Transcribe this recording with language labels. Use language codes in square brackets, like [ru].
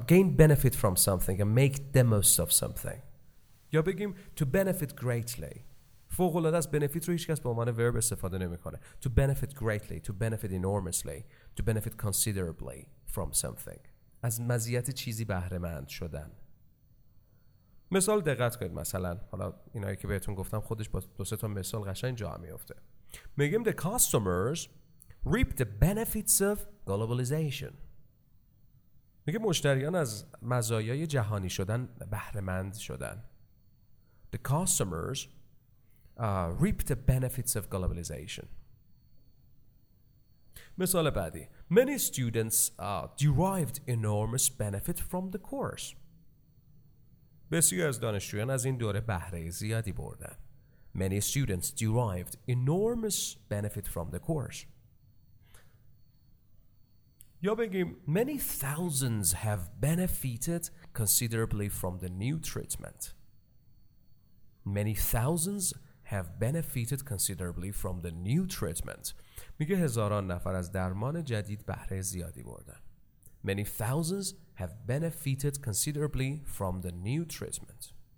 [en] Gain benefit from something and make the most of something. [fa] یا بگیم [en] to benefit greatly. [fa] فوق العاده است. Benefit رو هیچ کس به عنوان verb استفاده نمیکنه. [en] To benefit greatly. To benefit enormously. To benefit considerably from something. [fa] از مزیت چیزی بهره مند شدن. مثال دقت کنید. مثلا حالا اینایی که بهتون گفتم خودش با دو سه تا مثال قشنگ جا میفته. میگیم [en] the customers reap the benefits of globalization. [fa] میگه مشتریان از مزایای جهانی شدن بهره مند شدن. [en] The customers reap the benefits of globalization. [fa] مثال بعدی. [en] Many students derived enormous benefit from the course. [fa] بسیاری از دانشجویان از این دوره بهره زیادی بردن. [en] Many students derived enormous benefit from the course. [fa] یا بگیم [en] many thousands have benefited considerably from the new treatment. Many thousands have benefited considerably from the new treatment. [fa] میگه هزاران نفر از درمان جدید بهره زیادی بردن. [en] Many thousands have benefited considerably from the new treatment.